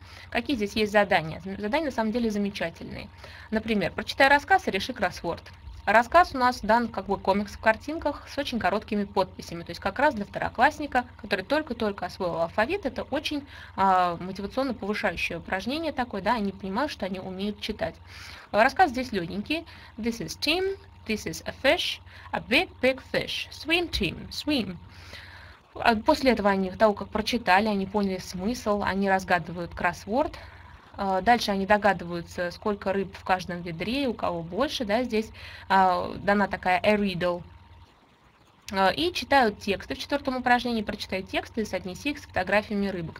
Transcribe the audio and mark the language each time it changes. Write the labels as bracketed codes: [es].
[ru] Какие здесь есть задания? Задания на самом деле замечательные. Например, прочитай рассказ и реши кроссворд. Рассказ у нас дан как бы комикс в картинках с очень короткими подписями. То есть как раз для второклассника, который только-только освоил алфавит, это очень мотивационно повышающее упражнение такое, да, они понимают, что они умеют читать. Рассказ здесь легенький. [en] This is Tim, this is a fish, a big, big fish. Swim, Tim, swim. [ru] После этого они, того как прочитали, они поняли смысл, они разгадывают кроссворд. Дальше они догадываются, сколько рыб в каждом ведре, у кого больше, да, здесь дана такая a riddle. И читают тексты в четвертом упражнении, прочитай тексты и соотнеси их с фотографиями рыбок.